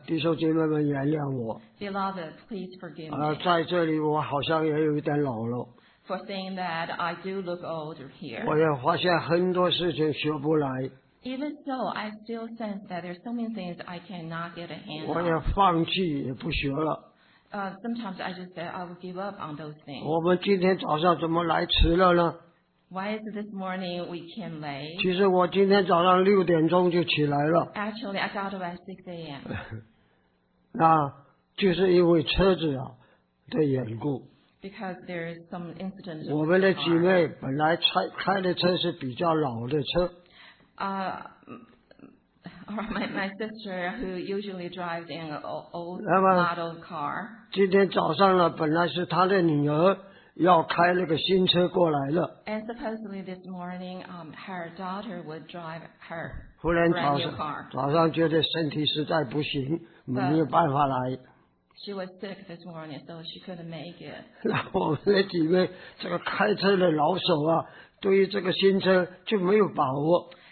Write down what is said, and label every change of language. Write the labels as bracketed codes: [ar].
[zh] 弟兄姐妹们原谅我。 [en] Beloved, please forgive me. [zh] 在这里我好像也有一点老了。 [en] For saying that, I do look older here. [zh] 我也发现很多事情学不来。 [en] Even so, I still sense that there are so many things I cannot get a handle. [zh] 我也放弃，也不学了。 [en] Sometimes I just say I will give up on those things. [zh] 我们今天早上怎么来迟了呢？ [en] Why is this morning we came late? [zh] 其实我今天早上六点钟就起来了。 [en] Actually, I got up at 6 a.m. [zh] 那就是因为车子啊的缘故。 [en] Because there is some incident. [zh] 我们的姐妹本来开的车是比较老的车。 [en] My sister who usually drives an old model car. [zh] 今天早上呢，本来是她的女儿。要开那个新车过来了。 [en] And supposedly this morning, her daughter would drive her brand new car. [zh] 忽然早上觉得身体实在不行，没有办法来。 [en] She was sick this morning, so she couldn't make it. [zh] 然后我们的几位这个开车的老手啊，对于这个新车就没有把握。